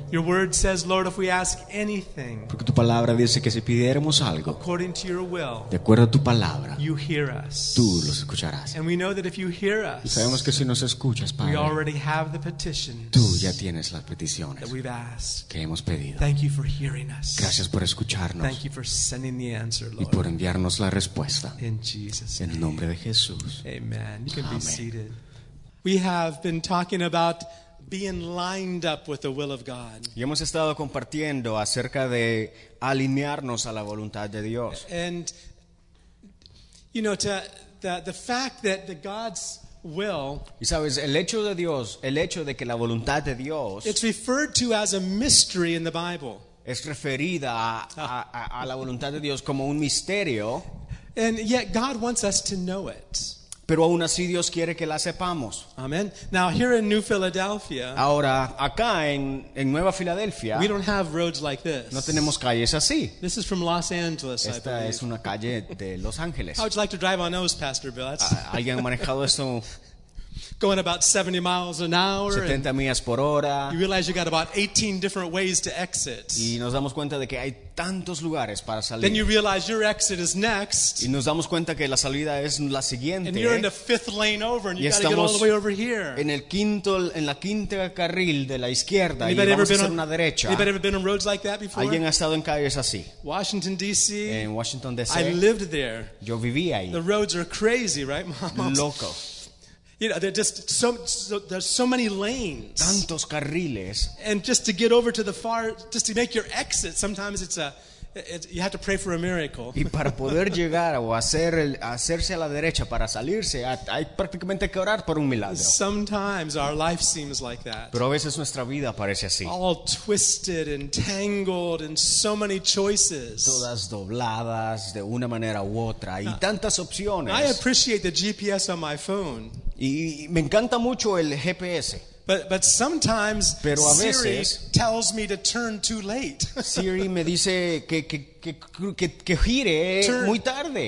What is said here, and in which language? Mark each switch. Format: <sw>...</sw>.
<en>Your word says, Lord, if we ask anything,</en> <es>porque tu palabra dice que si pidiéramos algo,</es> <en>according to your will,</en> <es>de acuerdo a tu palabra,</es> <en>you hear us.</en> <es>Tú los escucharás.</es> <en>And we know that if you hear us,</en> <es>y sabemos que si nos escuchas, Padre,</es> <en>we already have the petitions,</en> <es>tú ya tienes las peticiones</es> <en>that we've asked.</en> <es>Que hemos pedido.</es> <en>Thank you for hearing us.</en> <es>Gracias por escucharnos.</es> <en>Thank you for sending the answer, Lord.</en> <es>Y por enviarnos la respuesta.</es> <en>In Jesus' name.</en> <es>En nombre de Jesús.</es> <en>Amen. You can be seated. We have been talking about being lined up with the will of God.</en> <es>Y hemos estado compartiendo acerca de alinearnos a la voluntad de Dios.</es> <en>And you know, to the fact that the God's will,</en> <es>y sabes, el hecho de Dios, el hecho de que la voluntad de Dios,</es> <en>it's referred to as a mystery in the Bible.</en> <es>Es referida a la voluntad de Dios como un misterio.</es> <en>And yet God wants us to know it.</en> <es>Pero aún así Dios quiere que la sepamos.</es> <en>Amen. Now here in New Philadelphia,</en> <es>ahora acá en Nueva Filadelfia,</es> <en>we don't have roads like this.</en> <es>No tenemos calles así.</es> <en>This is from Los Angeles.</en> <es>Esta es una calle de Los Ángeles.</es> <en>How would you like to drive on those, Pastor Bill?</en> <es>¿Alguien ha manejado eso?</es> <en>Going about 70 miles an hour.</en> <es>70 millas por hora.</es> <en>You realize you got about 18 different ways to exit.</en> <es>Y nos damos cuenta de que hay tantos lugares para salir.</es> <en>Then you realize your exit is next.</en> <es>Y nos damos cuenta que la salida es la siguiente.</es> <en>And you're in the fifth lane over, and you got to get all the way over here.</en> <es>En el quinto, en la quinta carril de la izquierda, y vamos a hacer una derecha.</es> <en>Anybody ever been on roads like that before?</en> <es>¿Alguien ha estado en calles así?</es> <en>Washington D.C.</en> <es>En Washington D.C.</es> <en>I lived there.</en> <es>Yo vivía ahí.</es> <en>The roads are crazy, right, Mom?</en> <es>Loco.</es> <en>You know, there's just there's so many lanes.</en> <es>Tantos carriles.</es> <en>And just to get over to the far, just to make your exit, sometimes you have to pray for a miracle.</en> <es>Y para poder llegar o hacerse a la derecha para salirse, hay prácticamente que orar por un milagro.</es> <en>Sometimes our life seems like that.</en> <es>Pero a veces nuestra vida parece así.</es> <en>All twisted and tangled and so many choices.</en> <es>Todas dobladas de una manera u otra y tantas opciones.</es> <en>I appreciate the GPS on my phone.</en> <es>Y me encanta mucho el GPS.</es> <en>But sometimes,</en> <es>pero a veces,</es> <en>Siri tells me to turn too late.</en> <es>Siri me dice que gire muy tarde.</es>